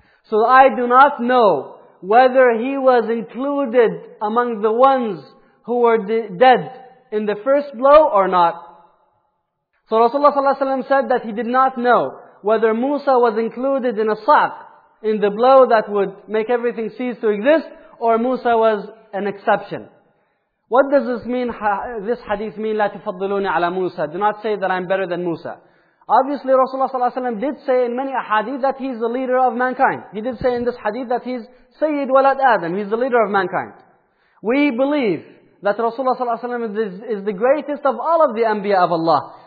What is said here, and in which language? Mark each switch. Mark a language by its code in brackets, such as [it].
[en] So I do not know whether he was included among the ones who were dead in the first blow or not. So Rasulullah sallallahu alayhi wa sallam said that he did not know whether Musa was included in a saq, in the blow that would make everything cease to exist, or Musa was an exception. What does this mean? This hadith mean, [ar] لا تفضلوني على موسى. [en] Do not say that I'm better than Musa. Obviously Rasulullah sallallahu alayhi wa sallam did say in many ahadith that he's the leader of mankind. He did say in this hadith that he's Sayyid Walad Adam, he's the leader of mankind. We believe that Rasulullah sallallahu alayhi wa sallam is the greatest of all of the anbiya of Allah.